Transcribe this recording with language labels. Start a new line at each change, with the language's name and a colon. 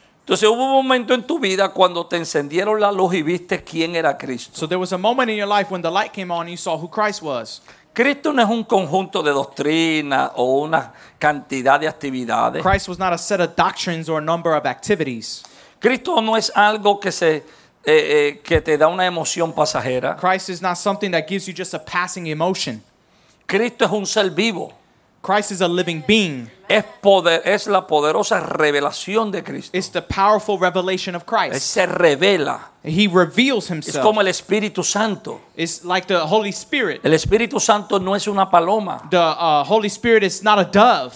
Spanish: Entonces hubo un momento en tu vida cuando te encendieron la luz y viste quién era Cristo.
English: So there was a moment in your life when the light came on and you saw who Christ was.
Spanish: Cristo no es un conjunto de doctrinas o una cantidad de actividades.
English: Christ was not a set of doctrines or a number of activities.
Spanish: Cristo no es algo que se que te da una emoción pasajera.
English: Christ is not something that gives you just a passing emotion.
Spanish: Cristo es un ser vivo.
English: Christ is a living being.
Spanish: Es poder, es la poderosa revelación de Cristo.
English: It's the powerful revelation of Christ.
Spanish: Él se revela.
English: He reveals himself.
Spanish: Es como el Espíritu Santo.
English: It's like the Holy Spirit.
Spanish: El Espíritu Santo no es una paloma.
English: The Holy Spirit is not a dove.